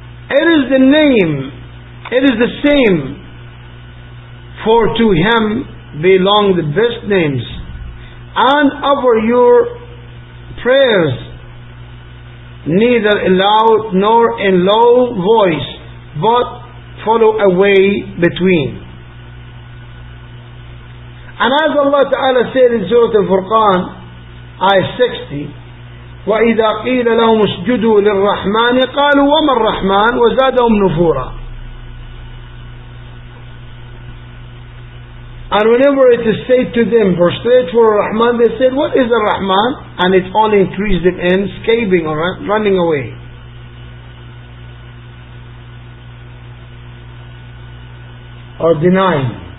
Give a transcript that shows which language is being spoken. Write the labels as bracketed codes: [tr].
[en] it is the name, it is the same, for to him belong the best names, and offer your prayers neither in loud nor in low voice, but follow a way between. And as Allah Ta'ala said in Surah Al-Furqan, ayah 60, [ar] وَإِذَا قِيلَ لَهُمْ اسْجُدُوا لِلرَّحْمَانِ قَالُوا وَمَا الرَّحْمَانِ وَزَادَهُمْ نُفُورًا. [en] And whenever it is said to them, prostrate for Ar-Rahman, they said, what is Ar-Rahman? And it only increased them in escaping or running away. Or denying.